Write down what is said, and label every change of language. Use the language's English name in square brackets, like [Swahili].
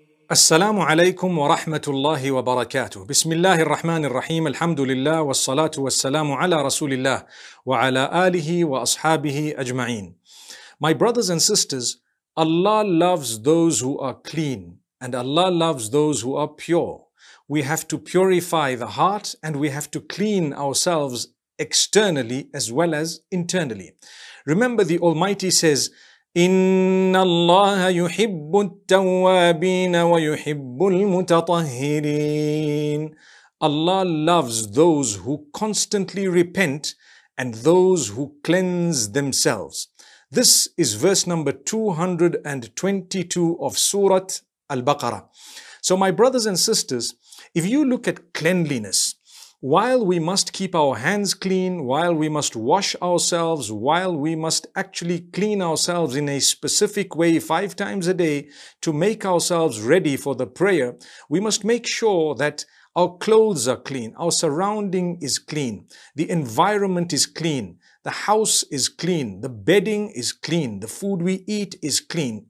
[Arabic] السلام عليكم ورحمة الله وبركاته. بسم الله الرحمن الرحيم. الحمد لله والصلاة والسلام على رسول الله وعلى آله وأصحابه أجمعين. [English] My brothers and sisters, Allah loves those who are clean and Allah loves those who are pure. We have to purify the heart and we have to clean ourselves externally as well as internally. Remember, the Almighty says, [Arabic] إِنَّ اللَّهَ يُحِبُّ التَّوَّابِينَ وَيُحِبُّ الْمُتَطَهِّرِينَ. [English] Allah loves those who constantly repent and those who cleanse themselves. This is verse number 222 of Surah Al-Baqarah. So my brothers and sisters, if you look at cleanliness, while we must keep our hands clean, while we must wash ourselves, while we must actually clean ourselves in a specific way 5 times a day to make ourselves ready for the prayer, we must make sure that our clothes are clean, our surrounding is clean, the environment is clean, the house is clean, the bedding is clean, the food we eat is clean.